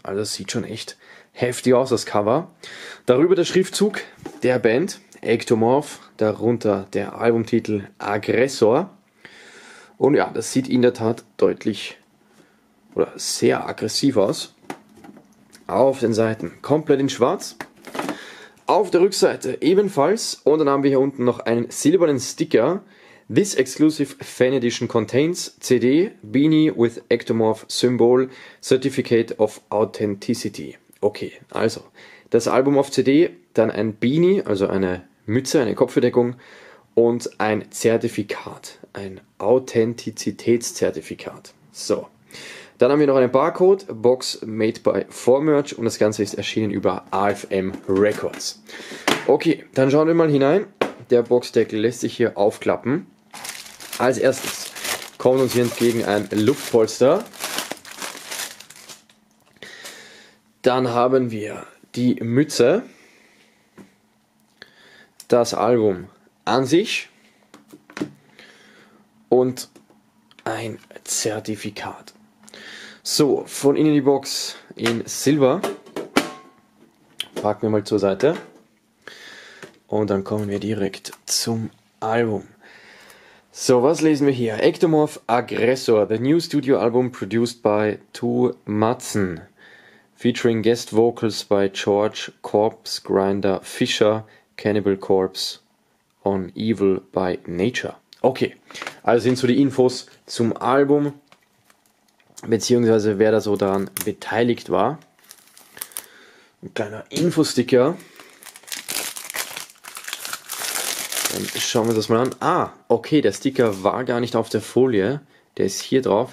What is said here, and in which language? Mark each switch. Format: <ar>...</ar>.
<de>Also, das sieht schon echt heftig aus, das Cover. Darüber der Schriftzug der Band, Ectomorph, darunter der Albumtitel Aggressor. Und ja, das sieht in der Tat deutlich oder sehr aggressiv aus. Auf den Seiten komplett in schwarz. Auf der Rückseite ebenfalls. Und dann haben wir hier unten noch einen silbernen Sticker.</de> <en>This exclusive fan edition contains CD, Beanie with Ectomorph Symbol, Certificate of Authenticity.</en> <de>Okay, also das Album auf CD, dann ein Beanie, also eine Mütze, eine Kopfbedeckung und ein Zertifikat, ein Authentizitätszertifikat. So. Dann haben wir noch einen Barcode,</de> <en>Box made by 4Merch</en> <de>und das Ganze ist erschienen über AFM Records. Okay, dann schauen wir mal hinein. Der Boxdeckel lässt sich hier aufklappen. Als erstes kommt uns hier entgegen ein Luftpolster. Dann haben wir die Mütze, das Album an sich und ein Zertifikat. So, von innen die Box in Silber. Packen wir mal zur Seite. Und dann kommen wir direkt zum Album. So, was lesen wir hier?</de> <en>Ectomorph Aggressor, the new studio album produced by Tu Madsen. Featuring guest vocals by George Corpse Grinder Fischer, Cannibal Corpse on Evil by Nature.</en> <de>Okay, also sind so die Infos zum Album. Beziehungsweise wer da so daran beteiligt war. Ein kleiner Infosticker. Dann schauen wir uns das mal an. Ah, okay, der Sticker war gar nicht auf der Folie. Der ist hier drauf.</de>